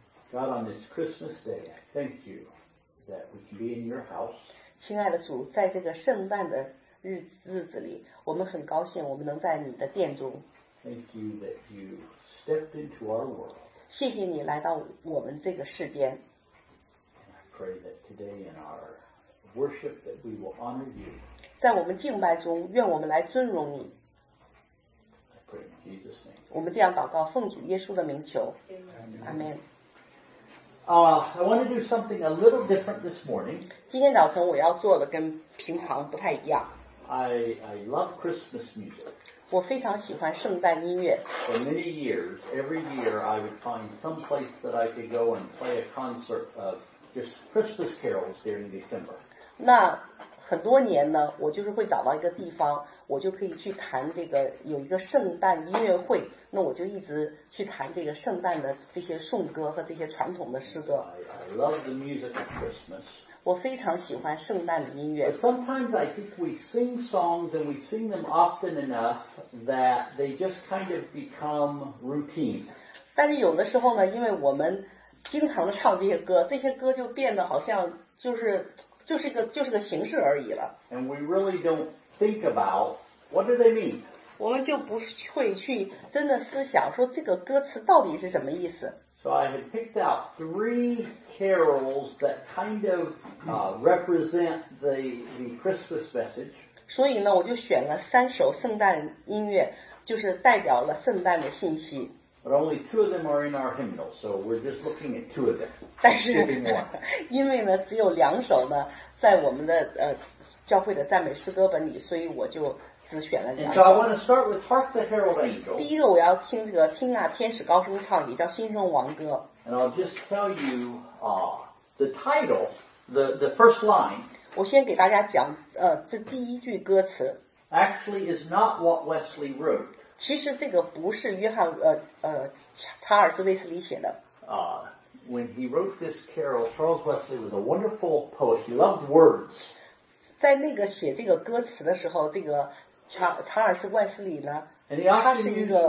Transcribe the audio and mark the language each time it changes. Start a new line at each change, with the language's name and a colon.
English: God, on this Christmas day, thank you that we can be in your house.
Chinese: 亲爱的主，在这个圣诞的日子里，我们很高兴我们能在你的殿中。
English: Thank you that you stepped into our world.
Chinese: 谢谢你来到我们这个世间。
English: And I pray that today in our worship that we will honor you.
Chinese: 在我们敬拜中，愿我们来尊荣你。
English: I pray in Jesus' name.
Chinese: 我们这样祷告，奉主耶稣的名求。阿门。
English: I want to do something a little different this morning.
Chinese: 今天早晨我要做的跟平常不太一样。
English: I love Christmas music.
Chinese: 我非常喜欢圣诞音乐。
English: For many years, every year I would find some place that I could go and play a concert of just Christmas carols during December.
Chinese: 那很多年呢，我就是会找到一个地方，我就可以去弹这个有一个圣诞音乐会，那我就一直去弹这个圣诞的这些颂歌和这些传统的诗歌。
English: I love the music of Christmas.
Chinese: 我非常喜欢圣诞的音乐。
English: But sometimes I think we sing songs and we sing them often enough that they just kind of become routine.
Chinese: 但是有的时候呢，因为我们经常唱这些歌，这些歌就变得好像就是个形式而已了。
English: And we really don't think about what do they mean.
Chinese: 我们就不会去真的思想说这个歌词到底是什么意思。
English: So I had picked out three carols that kind of represent the Christmas message.
Chinese: 所以呢，我就选了三首圣诞音乐，就是代表了圣诞的信息。
English: But only two of them are in our hymnal, so we're just looking at two of them.
Chinese: 但是因为呢只有两首呢在我们的教会的赞美诗歌本里，所以我就只选了两首。
English: And so I want to start with Hark the Herald Angels.
Chinese: 第一个我要听这个听啊天使高声唱，也叫新圣王歌。
English: And I'll just tell you, the title, the first line.
Chinese: 我先给大家讲这第一句歌词。
English: Actually is not what Wesley wrote.
Chinese: 其实这个不是约翰查尔斯威斯里写的。
English: When he wrote this carol, Charles Wesley was a wonderful poet. He loved words.
Chinese: 在那个写这个歌词的时候，这个查尔斯威斯里呢，他是一个